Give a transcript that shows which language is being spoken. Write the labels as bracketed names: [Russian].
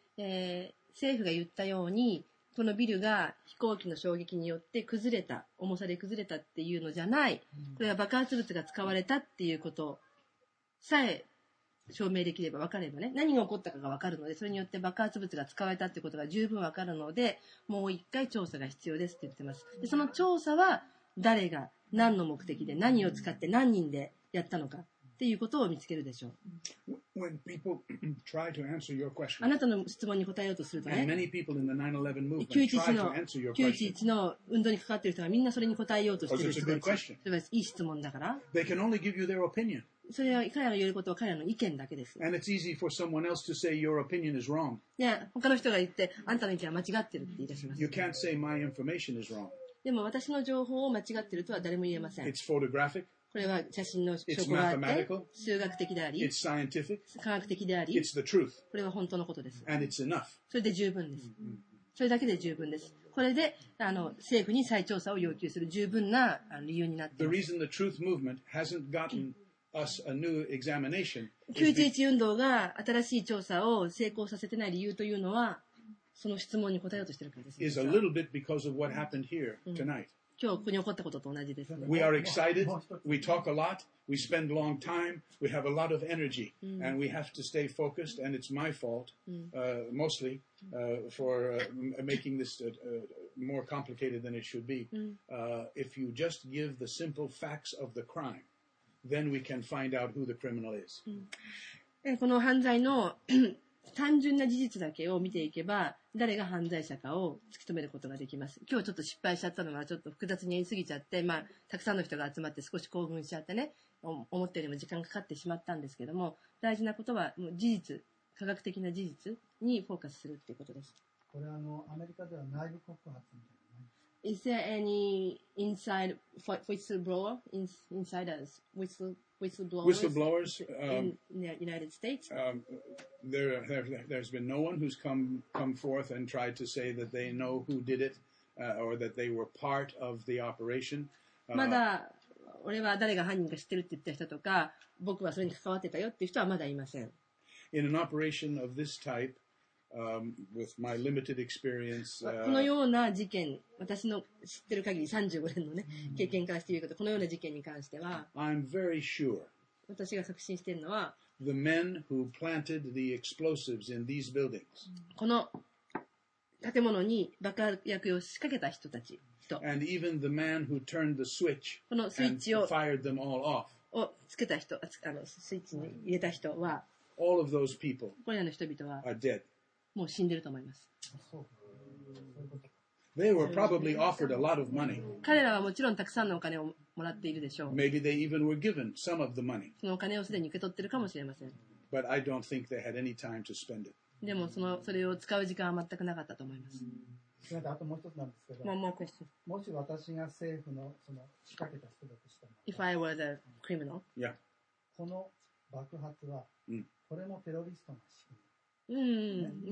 [Japanese] 政府が言ったようにこのビルが飛行機の衝撃によって崩れた重さで崩れたっていうのじゃないこれは爆発物が使われたっていうことさえ証明できれば分かればね何が起こったかが分かるのでそれによって爆発物が使われたってことが十分分かるのでもう一回調査が必要ですって言ってますでその調査は誰が何の目的で何を使って何人でやったのかっていうことを見つけるでしょう。あなたの質問に答えようとするとね、911の運動に関わっている人がみんなそれに答えようとしている人たち。それはいい質問だから。 [English] They can only give you their opinion. [Japanese] それは彼らが言えることは彼らの意見だけです。 [English] And it's easy for someone else to say your opinion is wrong. [Japanese] いや、他の人が言って、あなたの意見は間違ってるって言い出します。 [English] You can't say my information is wrong. [Japanese] でも私の情報を間違ってるとは誰も言えません。 [English] It's photographic. [Japanese] これは写真の証拠があって、数学的であり、科学的であり、これは本当のことです。それで十分です。それだけで十分です。これで政府に再調査を要求する十分な理由になっています。 911運動が新しい調査を成功させてない理由というのは、その質問に答えようとしているからです。今日ここに起こったことと同じです、ね。 [English] We are excited. We talk a lot. We spend long time. We have a lot of energy. And we have to stay focused. And it's my fault, mostly, for making this more complicated than it should be. If you just give the simple facts of the crime, then we can find out who the criminal is. [Japanese] この犯罪の単純な事実だけを見ていけば誰が犯罪者かを突き止めることができます。今日ちょっと失敗しちゃったのはちょっと複雑に言いすぎちゃって、まあ、たくさんの人が集まって少し興奮しちゃってね、思ったよりも時間かかってしまったんですけども、大事なことはもう事実、科学的な事実にフォーカスするということです。これはアメリカでは内部告発みたいな。 [English] Is there any inside whistleblower, insiders, whistleblowers in the United States? There's been no one who's come forth and tried to say that they know who did it, or that they were part of the operation. [Japanese] まだ俺は誰が犯人か知ってるって言った人とか、僕はそれに関わってたよっていう人はまだいません。 [English] In an operation of this type, with my limited experience, [Japanese] このような事件、私の知ってる限り35年のね経験からして言うこと、このような事件に関しては、 [English] I'm very sure. [Japanese] 私が確信してるのは。 [English] The men who planted the explosives in these buildings. [Japanese] この建物に爆薬を仕掛けた人たち。 [English] And even the man who turned the switch and fired them all off. [Japanese] をつけた人、スイッチに入れた人は、 [English] all of those people [Japanese] これらの人々は、 [English] are dead. [Japanese] もう死んでると思います。 [English] They were probably offered a lot of money. [Japanese] 彼らはもちろんたくさんのお金をもらっているでしょう。 [English] Maybe they even were given some of the money. [Japanese] そのお金をすでに受け取ってるかもしれません。 [English] But I don't think they had any time to spend it. [Japanese] でもそれを使う時間は全くなかったと思います。あともう一つなんですけど。 [English] One more question. [Japanese] もし私が政府の仕掛けた人だとしたら。 [English] If I were the criminal. Yeah. [Japanese] この爆発は、これもテロリストの仕組み。